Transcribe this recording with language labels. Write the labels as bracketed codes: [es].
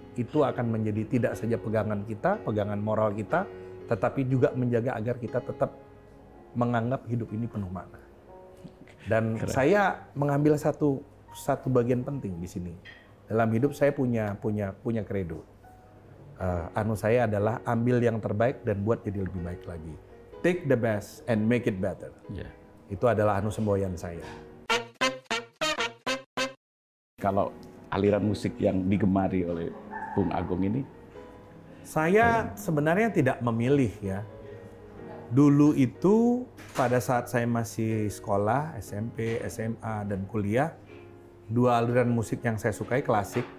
[id] Itu akan menjadi tidak saja pegangan kita, pegangan moral kita, tetapi juga menjaga agar kita tetap menganggap hidup ini penuh makna. Dan keren. Saya mengambil satu bagian penting di sini. Dalam hidup saya punya kredo. Anu saya adalah ambil yang terbaik dan buat jadi lebih baik lagi. [en] Take the best and make it better. Yeah. [id] Itu adalah anu semboyan saya. Kalau aliran musik yang digemari oleh Bung Agung ini? Saya sebenarnya tidak memilih ya. Dulu itu pada saat saya masih sekolah, SMP, SMA, dan kuliah, dua aliran musik yang saya sukai klasik.